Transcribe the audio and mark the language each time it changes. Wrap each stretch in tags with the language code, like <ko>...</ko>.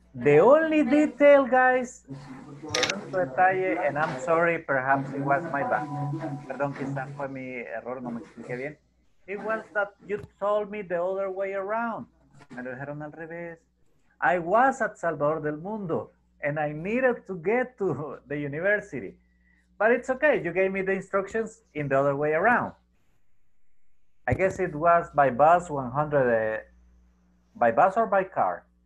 <en>The only detail, guys, detalle, and I'm sorry, perhaps it was my bad.</en> <es>Perdón, quizás fue mi error, no me expliqué bien.</es> <en>It was that you told me the other way around.</en> <es>Me lo dijeron al revés.</es> <en>I was at Salvador del Mundo, and I needed to get to the university. But it's okay, you gave me the instructions in the other way around. I guess it was by bus 100, by bus or by car?</en>